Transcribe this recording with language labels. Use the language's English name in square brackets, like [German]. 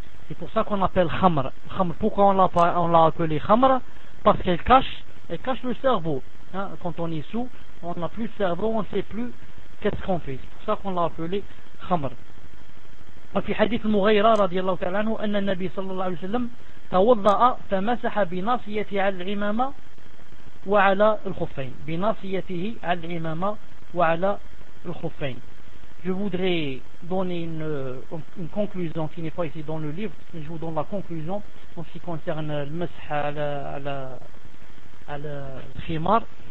[French] C'est pour ça qu'on appelle khamr. Pourquoi on l'a appelé khamr? Parce qu'elle cache. Elle cache le cerveau. Hein, quand on est sous, on n'a plus le cerveau, on ne sait plus qu'est-ce qu'on fait. C'est pour ça qu'on l'a appelé khamr. [Arabic] وفي حديث المغيرة رضي الله تعالى عنه أن النبي صلى الله عليه وسلم توضأ فمسح بناصيته على العمامة وعلى الخفين بناصيته على العمامة وعلى الخفين. [French] Je voudrais donner une conclusion qui n'est pas ici dans le livre, mais je vous donne la conclusion en ce qui concerne le masah à la khimar.